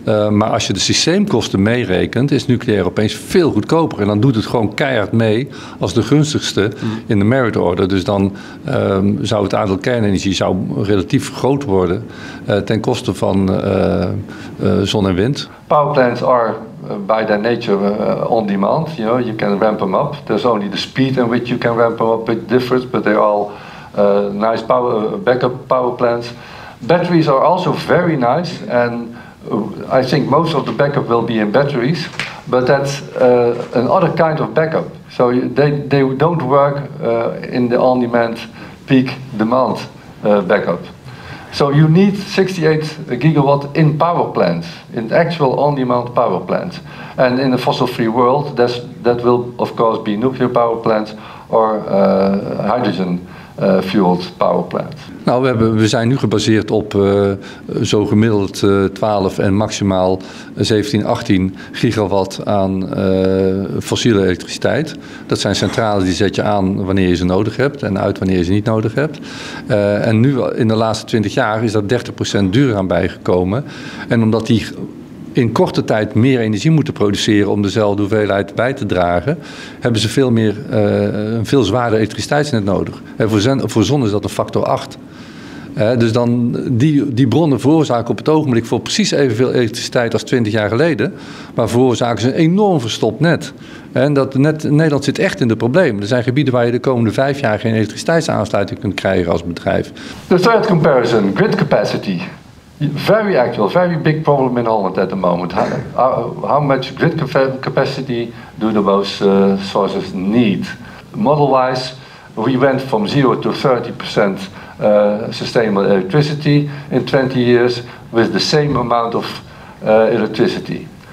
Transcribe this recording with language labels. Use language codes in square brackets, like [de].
[nl] Maar als je de systeemkosten meerekent, is nucleair opeens veel goedkoper. En dan doet het gewoon keihard mee als de gunstigste in de merit order. Dus dan zou het aantal kernenergie zou relatief groot worden ten koste van zon en wind. [en] Power plants are by their nature on demand. You know, you can ramp them up. There's only the speed in which you can ramp them up a bit different, but they're all nice power backup power plants. Batteries are also very nice, and I think most of the backup will be in batteries, but that's another kind of backup. So they don't work in the on-demand peak demand backup. So you need 68 gigawatt in power plants, in actual on-demand power plants. And in a fossil-free world, that will of course be nuclear power plants or hydrogen fueled power plants. [nl] Nou, we zijn nu gebaseerd op zo gemiddeld 12 en maximaal 17, 18 gigawatt aan fossiele elektriciteit. Dat zijn centrales die zet je aan wanneer je ze nodig hebt en uit wanneer je ze niet nodig hebt. En nu in de laatste 20 jaar is dat 30% duurder aan bijgekomen. En omdat die in korte tijd meer energie moeten produceren om dezelfde hoeveelheid bij te dragen, hebben ze veel meer, een veel zwaarder elektriciteitsnet nodig. En voor zon is dat een factor 8. Dus dan die bronnen veroorzaken op het ogenblik voor precies evenveel elektriciteit als 20 jaar geleden, maar veroorzaken ze een enorm verstopt net. En dat net, Nederland zit echt in de problemen. Er zijn gebieden waar je de komende 5 jaar geen elektriciteitsaansluiting kunt krijgen als bedrijf. [en] The third comparison, grid capacity. Very actual, very big problem in Holland at the moment. How much grid capacity do the most sources need? Model-wise, we went from 0 to 30% sustainable electricity in 20 years with the same amount of electricity.